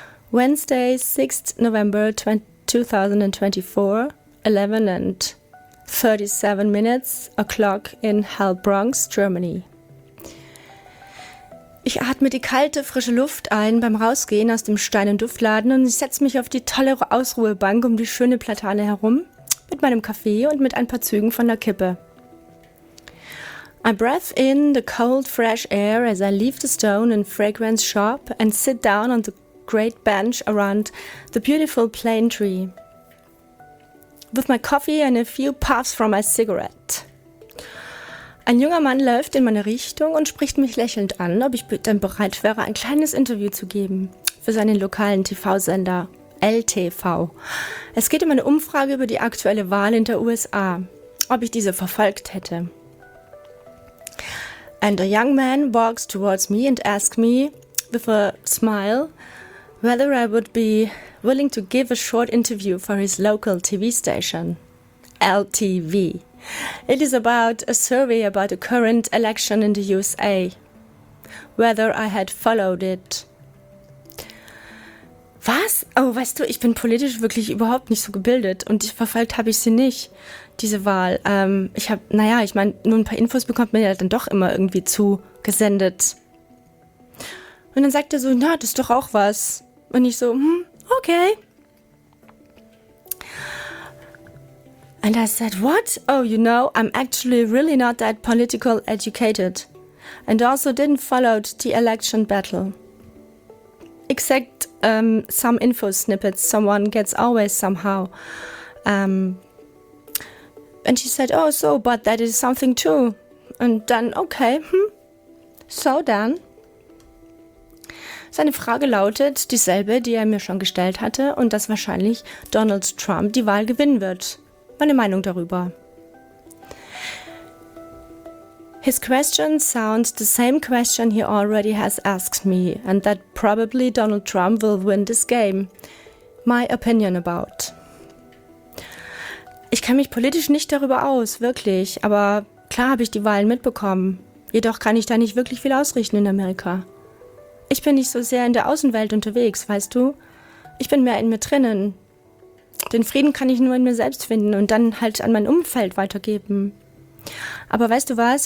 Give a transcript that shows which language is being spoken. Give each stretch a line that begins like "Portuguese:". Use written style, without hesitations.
English: Wednesday, 6th November 2024, 11 and 37 minutes o'clock in Heilbronn, Germany.
German: Ich atme die kalte, frische Luft ein beim Rausgehen aus dem Stein- und Duftladen und ich setze mich auf die tolle Ausruhebank um die schöne Platane herum mit meinem Kaffee und mit ein paar Zügen von der Kippe.
English: I breath in the cold, fresh air as I leave the stone and fragrance shop and sit down on the great bench around the beautiful plane tree with my coffee and a few puffs from my cigarette.
German: Ein junger Mann läuft in meine Richtung und spricht mich lächelnd an, ob ich denn bereit wäre, ein kleines Interview zu geben für seinen lokalen TV-Sender LTV. Es geht um eine Umfrage über die aktuelle Wahl in der USA, ob ich diese verfolgt hätte.
English: And a young man walks towards me and asks me with a smile whether I would be willing to give a short interview for his local TV station, LTV. It is about a survey about the current election in the USA, whether I had followed it.
German: Was? Oh, weißt du, ich bin politisch wirklich überhaupt nicht so gebildet und verfolgt habe ich sie nicht, diese Wahl. Nur ein paar Infos bekommt man ja dann doch immer irgendwie zugesendet. Und dann sagt er so, na, das ist doch auch was. Und ich so, okay.
English: And I said, what? Oh, you know, I'm actually really not that political educated. And also didn't follow the election battle. Except some info snippets someone gets always somehow. And she said, oh, so, but that is something too. And then, okay, So then.
German: Seine Frage lautet dieselbe, die er mir schon gestellt hatte und dass wahrscheinlich Donald Trump die Wahl gewinnen wird. Meine Meinung darüber.
English: His question sounds the same question he already has asked me and that probably Donald Trump will win this game. My opinion about.
German: Ich kenne mich politisch nicht darüber aus, wirklich, aber klar habe ich die Wahlen mitbekommen. Jedoch kann ich da nicht wirklich viel ausrichten in Amerika. Ich bin nicht so sehr in der Außenwelt unterwegs, weißt du? Ich bin mehr in mir drinnen. Den Frieden kann ich nur in mir selbst finden und dann halt an mein Umfeld weitergeben. Aber weißt du was?